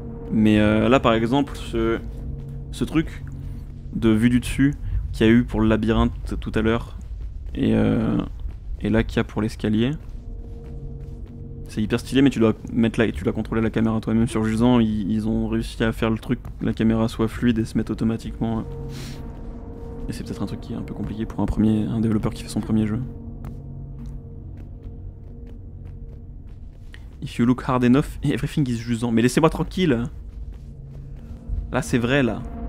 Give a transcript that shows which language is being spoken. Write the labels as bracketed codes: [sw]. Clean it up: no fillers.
[fr] Mais là par exemple ce truc de vue du dessus qu'il y a eu pour le labyrinthe tout à l'heure et là qu'il y a pour l'escalier. C'est hyper stylé, mais tu dois contrôler la caméra toi-même sur Jusant. Ils ont réussi à faire le truc, la caméra soit fluide et se mettre automatiquement. Et c'est peut-être un truc qui est un peu compliqué pour un développeur qui fait son premier jeu. [en] If you look hard enough, everything is Jusant. [fr] Mais laissez-moi tranquille. Là, c'est vrai, là.